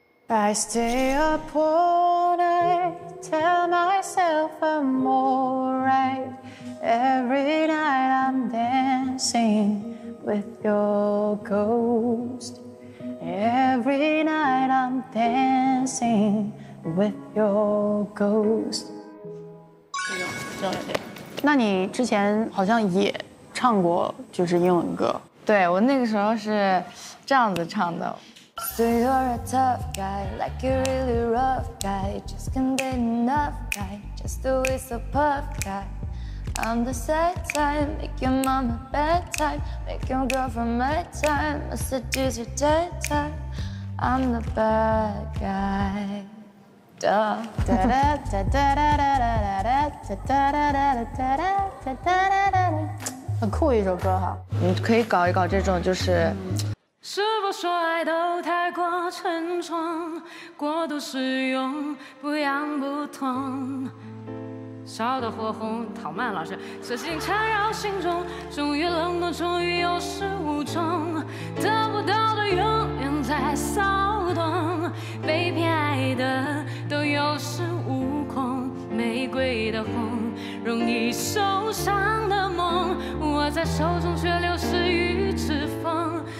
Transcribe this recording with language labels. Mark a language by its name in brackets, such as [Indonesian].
[English] I stay up all night, tell myself I'm alright. Every night I'm dancing with your ghost. Every night I'm dancing with your ghost. [Chinese] 那你之前好像也唱过就是英文歌。对，我那个时候是这样子唱的。 [English] So you're a tough guy, like a really rough guy. Just can't be enough guy, just a whistle puff guy. I'm the sad type, make your mama bad type, make your girlfriend mad type, I seduce your dead type. I'm the bad guy. Duh. Da da da da da da da da da da da da da da da da da da da da da da da da da da da da da da da da da da da da da [Chinese] 是否说爱都太过沉重，过度使用不痒不痛，烧得火红，讨慢老师，死心缠绕心中，终于冷冻，终于有始无终，得不到的永远在骚动，被偏爱的都有恃无恐，玫瑰的红容易受伤的梦，握在手中却流失于指缝。